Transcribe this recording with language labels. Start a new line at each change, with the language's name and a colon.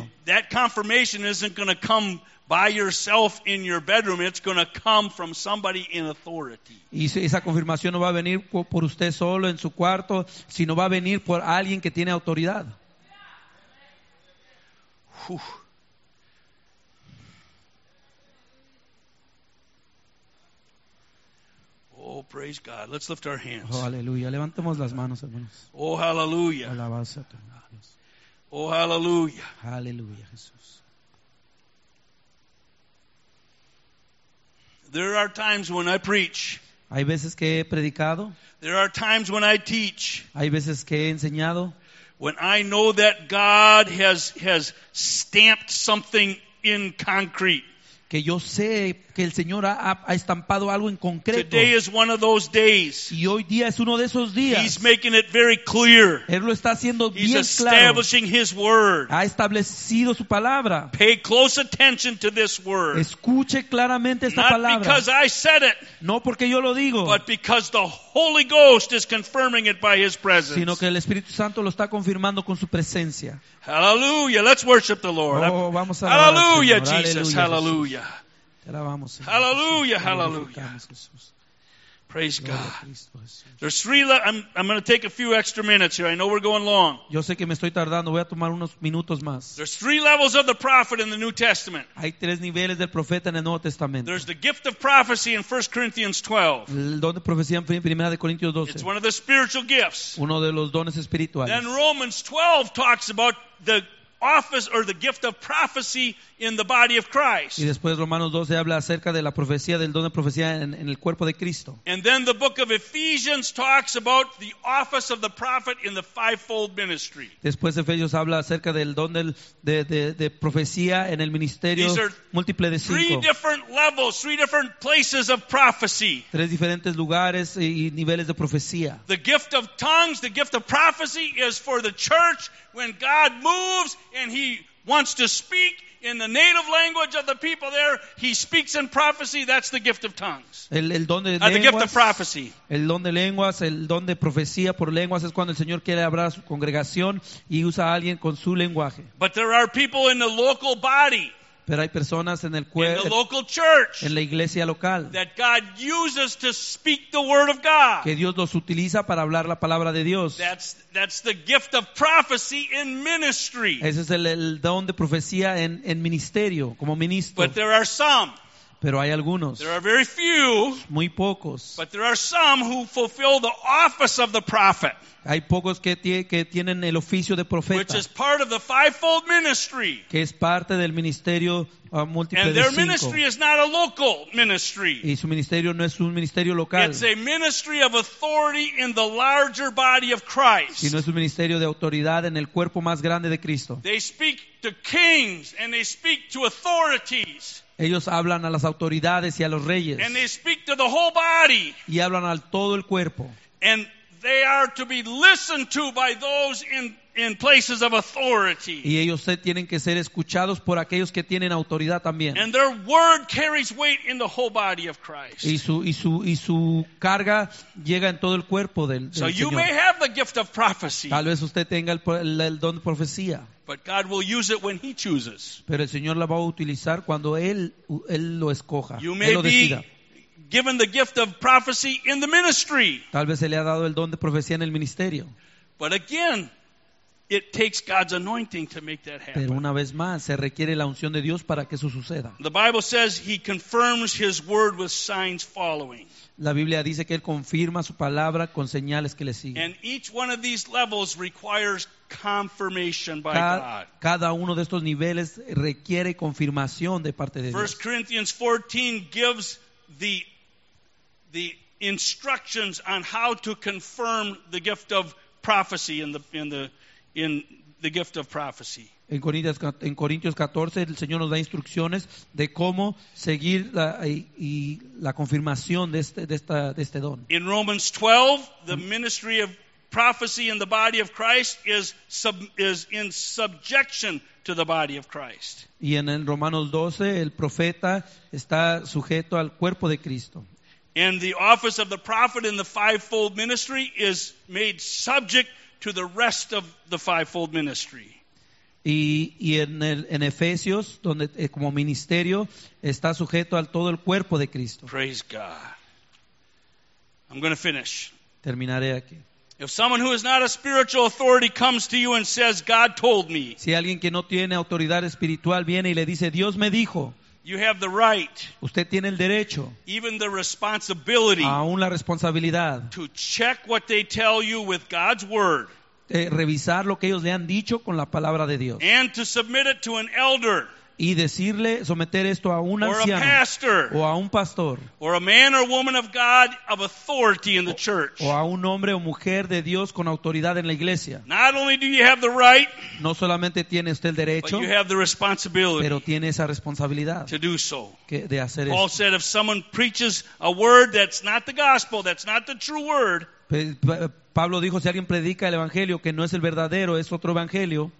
English: And that confirmation isn't going to come by yourself in your bedroom, it's going to come from somebody in authority.
Spanish: Y esa confirmación no va a venir por usted solo en su cuarto, sino va a venir por alguien que tiene autoridad. Whew.
English: Oh, praise God. Let's lift our hands.
Spanish: Oh, aleluya. Levantemos las manos, hermanos.
English: Oh, hallelujah.
Spanish: Alabado sea tu Dios.
English: Oh, hallelujah.
Spanish: Aleluya, Jesús.
English: There are times when I preach.
Spanish: Hay veces que he predicado.
English: There are times when I teach.
Spanish: Hay veces que he enseñado.
English: When I know that God has stamped something in concrete.
Spanish: Que yo sé que el Señor ha estampado algo en concreto.
English: Today is one of those days.
Spanish: Y hoy día es uno de esos días.
English: He's making it very clear.
Spanish: Él lo está haciendo
English: He's
Spanish: bien claro.
English: He's establishing his word.
Spanish: Ha establecido su palabra.
English: Pay close attention to this word.
Spanish: Escuche claramente esta
English: Not
Spanish: palabra.
English: Not because I said it.
Spanish: No porque yo lo digo.
English: But because the Holy Ghost is confirming it by his presence.
Spanish: Sino que el Espíritu Santo lo está confirmando con su presencia.
English: Hallelujah. Let's worship the Lord.
Spanish: Oh, vamos a
English: Hallelujah, Jesus. Hallelujah. Hallelujah, hallelujah. Praise God. There's three I'm going to take a few extra minutes here. I know we're going long.
Spanish: Yo sé que me estoy tardando, voy a tomar unos minutos más.
English: There's three levels of the prophet in the New Testament.
Spanish: Hay tres niveles del profeta en el Nuevo Testamento.
English: There's the gift of prophecy in 1 Corinthians 12.
Spanish: El don de profecía en Primera de Corintios 12.
English: It's one of the spiritual gifts.
Spanish: Uno de los dones espirituales.
English: Then Romans 12 talks about the office or the gift of prophecy in the body of Christ.
Spanish: Y después Romanos 12 habla acerca de la profecía, del don de profecía en el cuerpo de Cristo.
English: And then the book of Ephesians talks about the office of the prophet in the fivefold ministry.
Spanish: Después Efesios habla acerca del don de profecía en el ministerio múltiple de cinco.
English: Three different levels, three different places of prophecy.
Spanish: Tres diferentes lugares y niveles de profecía.
English: The gift of tongues, the gift of prophecy is for the church when God moves and he wants to speak in the native language of the people there, he speaks in prophecy. That's the gift of tongues.
Spanish: El don de lenguas,
English: the gift of prophecy.
Spanish: El don de lenguas, el don de profecía por lenguas es cuando el Señor quiere hablar a su congregación y usa a alguien con su lenguaje.
English: But there are people in the local body.
Spanish: Pero hay personas en el cuerpo,
English: in the local church,
Spanish: en la iglesia local,
English: that God uses to speak the word of God.
Spanish: Que Dios los utiliza para hablar la palabra de Dios.
English: That's the gift of prophecy in ministry.
Spanish: Ese es el don de profecía en ministerio, como ministro.
English: But there are some.
Spanish: Pero hay algunos.
English: There are very few.
Spanish: Muy pocos.
English: But there are some who fulfill the office of the prophet.
Spanish: Hay pocos que tienen el oficio de profeta.
English: Which is part of the fivefold ministry.
Spanish: Que es parte del ministerio múltiple de cinco.
English: And their ministry is not a local ministry.
Spanish: Y su ministerio no es un ministerio local.
English: It's a ministry of authority in the larger body of Christ.
Spanish: Sino es un ministerio de autoridad en el cuerpo más grande de Cristo.
English: They speak to kings and they speak to authorities.
Spanish: Ellos hablan a las autoridades y a los reyes.
English: And they speak to the whole body.
Spanish: Y hablan al todo el cuerpo.
English: And they are to be listened to by those in places of authority.
Spanish: Y ellos tienen que ser escuchados por aquellos que tienen autoridad también.
English: And their word carries weight in the whole body of Christ.
Spanish: Y su carga llega en todo el cuerpo del Señor.
English: So you may have the gift of prophecy.
Spanish: Tal vez usted tenga el don de profecía.
English: But God will use it when he chooses.
Spanish: Pero el Señor la va a utilizar cuando él lo escoja.
English: You may be given the gift of prophecy in the ministry.
Spanish: Tal vez se le ha dado el don de profecía en el ministerio.
English: But again, it takes God's anointing to make that happen.
Spanish: Pero una vez más, se requiere la unción de Dios para que eso suceda.
English: The Bible says he confirms his word with signs following.
Spanish: La Biblia dice que él confirma su palabra con señales que le siguen.
English: And each one of these levels requires confirmation by God.
Spanish: Cada uno de estos niveles requiere confirmación de parte de Dios.
English: 1 Corinthians 14 gives the instructions on how to confirm the gift of prophecy in the gift of prophecy.
Spanish: En Corintios 14 el Señor nos da instrucciones de cómo seguir la confirmación de este don.
English: In Romans 12 the ministry of prophecy in the body of Christ is in subjection to the body of Christ.
Spanish: Y en Romanos 12 el profeta está sujeto al cuerpo de Cristo.
English: And the office of the prophet in the fivefold ministry is made subject to the rest of the fivefold ministry.
Spanish: Y en Efesios donde como ministerio está sujeto al todo el cuerpo de Cristo.
English: Praise God. I'm going to finish.
Spanish: Terminaré aquí.
English: If someone who is not a spiritual authority comes to you and says, God told me.
Spanish: Si alguien que no tiene autoridad espiritual viene y le dice, Dios me dijo.
English: You have the right.
Spanish: Usted tiene el derecho.
English: Even the responsibility.
Spanish: Aún la responsabilidad.
English: To check what they tell you with God's word.
Spanish: Revisar lo que ellos le han dicho con la palabra de Dios.
English: And to submit it to an elder.
Spanish: y decirle, someter esto a un
English: or
Spanish: anciano,
English: a pastor,
Spanish: o a un pastor,
English: or a man or woman of God of authority in the church,
Spanish: o a un hombre o mujer de Dios con autoridad en la iglesia.
English: Not only do you have the right,
Spanish: no solamente tiene usted el derecho,
English: but you have the responsibility,
Spanish: pero tiene esa responsabilidad
English: to do so.
Spanish: Que de hacer
English: Paul
Spanish: esto.
English: Said, if someone preaches a word that's not the gospel, that's not the true word.
Spanish: Pablo dijo, si alguien predica el evangelio que no es el verdadero, es otro evangelio,